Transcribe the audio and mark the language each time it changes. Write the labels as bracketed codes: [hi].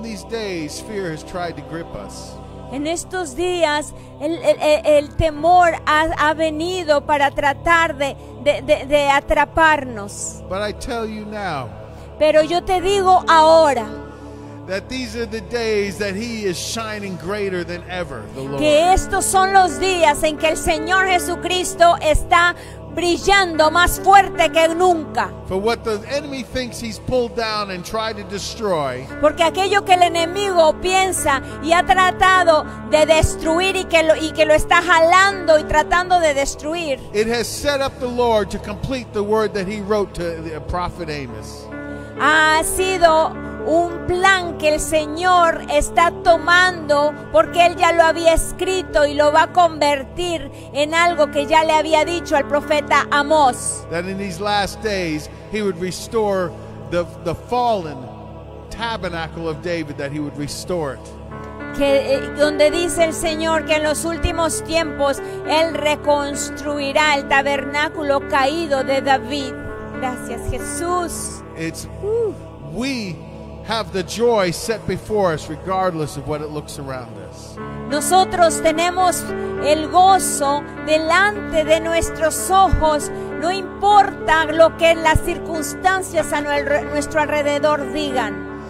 [en] Days, fear has tried to grip us. [es] En estos días el temor ha venido para tratar de atraparnos. [en] But I tell you now, [es] pero yo te digo ahora, [en] that these are the days that he is shining greater than ever, the Lord. [es] Que estos son los días en que el Señor Jesucristo está brillando más fuerte que nunca. [en] For what the enemy thinks he's pulled down and tried to destroy. [es] Porque aquello que el enemigo piensa y ha tratado de destruir y que lo está jalando y tratando de destruir. [en] It has set up the Lord to complete the word that he wrote to the prophet Amos. [es] Ha sido un plan que el Señor está tomando, porque Él ya lo había escrito y lo va a convertir en algo que ya le había dicho al profeta Amós. [en] That in these last days he would restore the fallen tabernacle of David, that he would restore it. [es] Que donde dice el Señor que en los últimos tiempos Él reconstruirá el tabernáculo caído de David. Gracias, Jesús. [en] It's we have the joy set before us regardless of what it looks around us. [es] Nosotros tenemos el gozo delante de nuestros ojos, no importa lo que las circunstancias a nuestro alrededor digan.